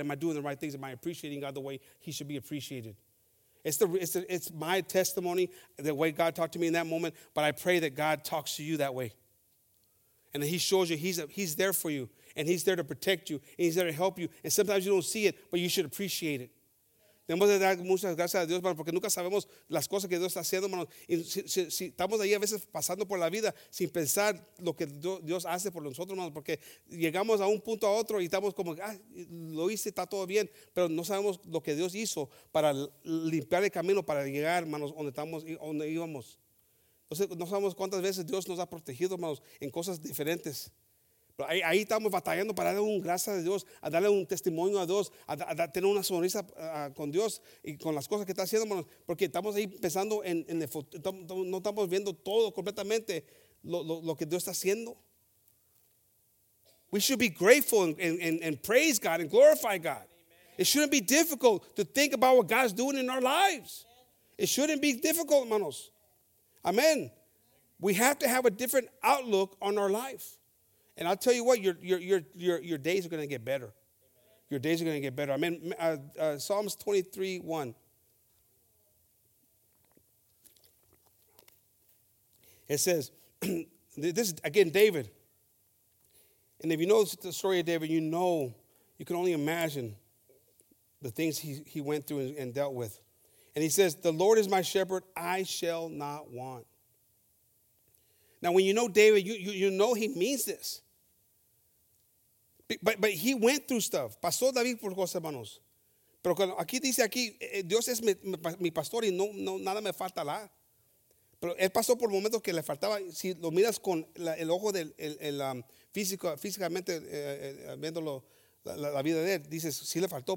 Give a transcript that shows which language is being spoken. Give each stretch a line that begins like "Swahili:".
English: Am I doing the right things? Am I appreciating God the way he should be appreciated? It's my testimony, the way God talked to me in that moment, but I pray that God talks to you that way. And that he shows you he's there for you, and he's there to protect you, and he's there to help you. And sometimes you don't see it, but you should appreciate it.
Spanish: Tenemos que dar muchas gracias a Dios, hermano, porque nunca sabemos las cosas que Dios está haciendo, hermano. Y si estamos ahí a veces pasando por la vida sin pensar lo que Dios hace por nosotros, hermano, porque llegamos a un punto a otro y estamos como, ah, lo hice, está todo bien, pero no sabemos lo que Dios hizo para limpiar el camino, para llegar, hermanos, donde íbamos. Entonces, no sabemos cuántas veces Dios nos ha protegido, hermanos, en cosas diferentes. Pero ahí estamos batallando para darle un gracias a Dios, a darle un testimonio a Dios, a tener una sonrisa con Dios y con las cosas que está haciendo, hermanos, porque estamos ahí pensando en el futuro, no estamos viendo todo completamente lo que Dios está haciendo.
English: We should be grateful and praise God and glorify God. Amen. It shouldn't be difficult to think about what God's doing in our lives. It shouldn't be difficult, hermanos. Amen. We have to have a different outlook on our life. And I'll tell you what, your days are going to get better. Amen. Your days are going to get better. I mean, Psalms 23:1. It says, this is, again, David. And if you know the story of David, you know, you can only imagine the things he went through and dealt with. And he says, the Lord is my shepherd, I shall not want. Now, when you know David, you know he means this. But he went through stuff.
Spanish: Pasó David por cosas, hermanos. Pero aquí dice aquí, Dios es mi pastor y no nada me falta la. Pero él pasó por momentos que le faltaba. Si lo miras con el ojo del físicamente viéndolo la vida de él, dices sí le faltó.